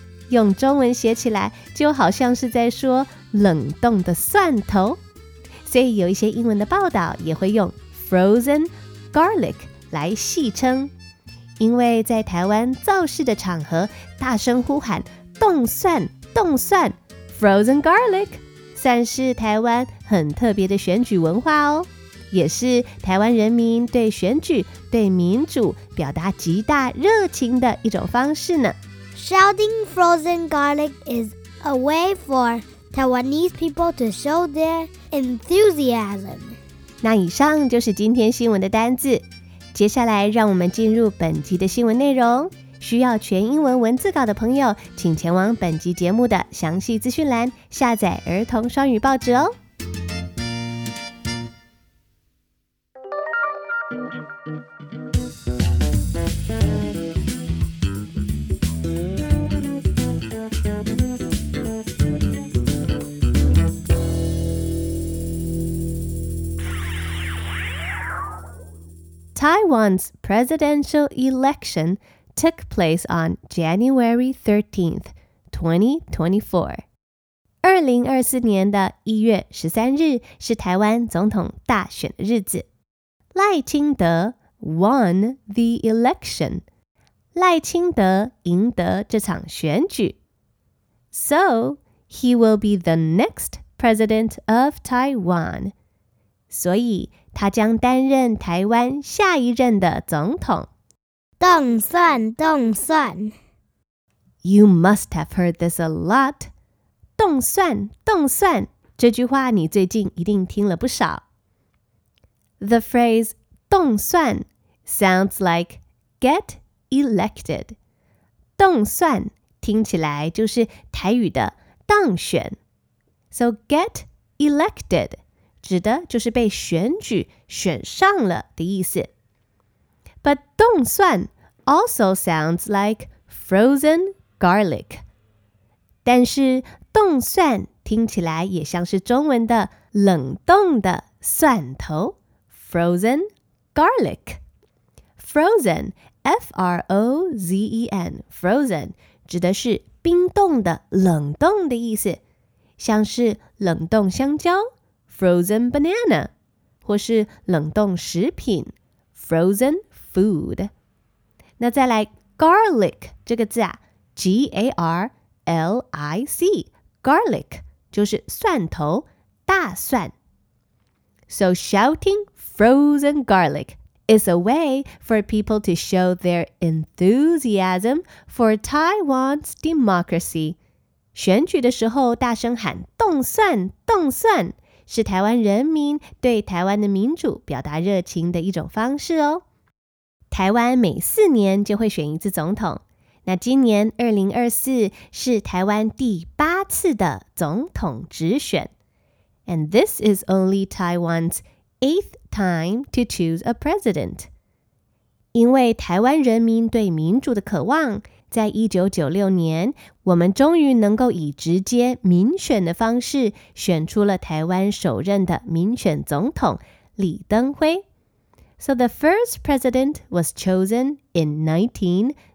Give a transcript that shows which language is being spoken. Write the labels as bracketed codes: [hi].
[zh] 用中文写起来就好像是在说冷冻的蒜头，所以有一些英文的报道也会用 [en] frozen garlic [zh] 来戏称，因为在台湾造势的场合大声呼喊冻蒜冻蒜 frozen garlic, 算是台湾很特别的选举文化哦，也是台湾人民对选举、对民主表达极大热情的一种方式呢。 [en] Shouting frozen garlic is a way for Taiwanese people to show their enthusiasm. [zh] 那以上就是今天新闻的单字，接下来让我们进入本集的新闻内容。需要全英文文字稿的朋友，请前往本集节目的详细资讯栏下载儿童双语报纸哦。 [en] Taiwan's presidential election took place on January 13th, 2024. [zh] 2024年的1月13日是台湾总统大选的日子。 [en] 赖清德 won the election. [zh] 赖清德赢得这场选举。 [en] So, he will be the next president of Taiwan. [zh] 所以他将担任台湾下一任的总统。动算动算。 [en] You must have heard this a lot. [zh] 动算动算，这句话你最近一定听了不少。 [en] The phrase 动算 sounds like get elected. [zh] 动算听起来就是台语的当选。 [en] So get elected. [zh] 指的就是被选举选上了的意思。 [en] But 动蒜 also sounds like frozen garlic. [zh] 但是动蒜听起来也像是中文的冷冻的蒜头 , [en] frozen garlic. Frozen, F-R-O-Z-E-N, frozen, [zh] 指的是冰冻的冷冻的意思。像是冷冻香蕉 [en] Frozen banana, [zh] 或是冷冻食品 , [en] frozen food. [zh] 那再来 garlic 这个字啊 , [en] G-A-R-L-I-C, garlic, [zh] 就是蒜头大蒜。 [en] So shouting frozen garlic is a way for people to show their enthusiasm for Taiwan's democracy. [zh] 选举的时候大声喊动蒜动蒜。是台湾人民对台湾的民主表达热情的一种方式哦。台湾每四年就会选一次总统，那今年2024是台湾第八次的总统直选。 [en] And this is only Taiwan's eighth time to choose a president. [zh] 因为台湾人民对民主的渴望，在1996年，我们终于能够以直接民选的方式选出了台湾首任的民选总统李登辉。 [en] So the first president was chosen in 1996.